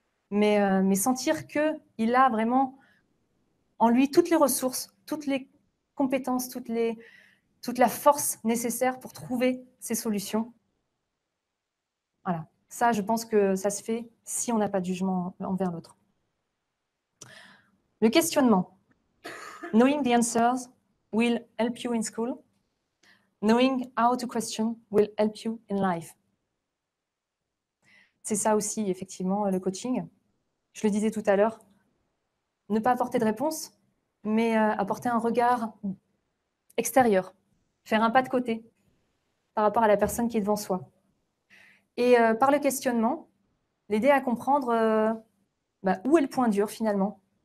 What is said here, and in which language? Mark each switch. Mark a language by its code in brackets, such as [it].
[fr] Mais sentir qu'il a vraiment en lui toutes les ressources, toutes les compétences, toute la force nécessaire pour trouver ces solutions. Voilà. Ça, je pense que ça se fait si on n'a pas de jugement envers l'autre. Le questionnement. [en] Knowing the answers will help you in school. Knowing how to question will help you in life. [fr] C'est ça aussi, effectivement, le coaching. Je le disais tout à l'heure, ne pas apporter de réponse, mais apporter un regard extérieur, faire un pas de côté par rapport à la personne qui est devant soi. Et par le questionnement, l'aider à comprendre où est le point dur finalement.